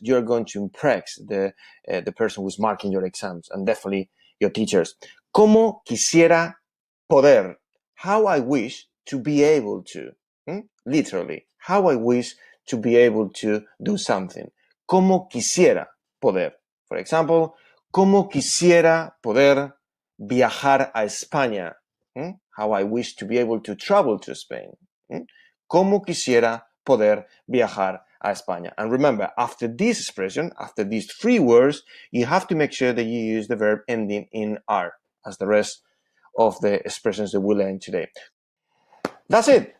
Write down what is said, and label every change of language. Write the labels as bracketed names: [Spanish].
[English] You're going to impress the person who's marking your exams and definitely your teachers. [Spanish] ¿Cómo quisiera poder? [English] How I wish to be able to. Literally, how I wish to be able to do something. [Spanish] ¿Cómo quisiera poder? [English] For example, [Spanish] ¿cómo quisiera poder viajar a España? [English] How I wish to be able to travel to Spain. [Spanish] ¿Cómo quisiera poder viajar a España? [English] And remember, after this expression, after these three words, you have to make sure that you use the verb ending in R, as the rest of the expressions that we learn today. That's it.